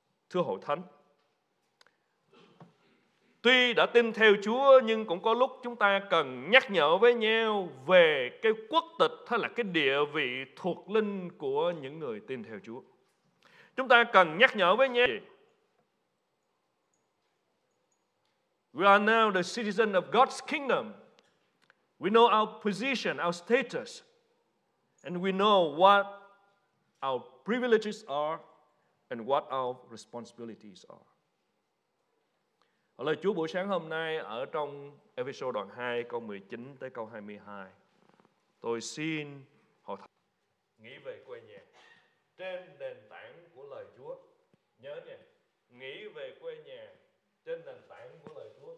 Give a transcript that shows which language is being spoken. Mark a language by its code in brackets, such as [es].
[vi] Thưa Hội Thánh, tuy đã tin theo Chúa nhưng cũng có lúc chúng ta cần nhắc nhở với nhau về cái quốc tịch hay là cái địa vị thuộc linh của những người tin theo Chúa. Chúng ta cần nhắc nhở với nhau. [en] We are now the citizen of God's kingdom. We know our position, our status, and we know what our privileges are and what our responsibilities are. [vi] Lời Chúa buổi sáng hôm nay ở trong Ephesians đoạn 2 câu 19 tới câu 22. Tôi xin Hội Thánh nghĩ về quê nhà trên nền tảng của lời Chúa. Nhớ nha, nghĩ về quê nhà trên nền tảng của lời Chúa.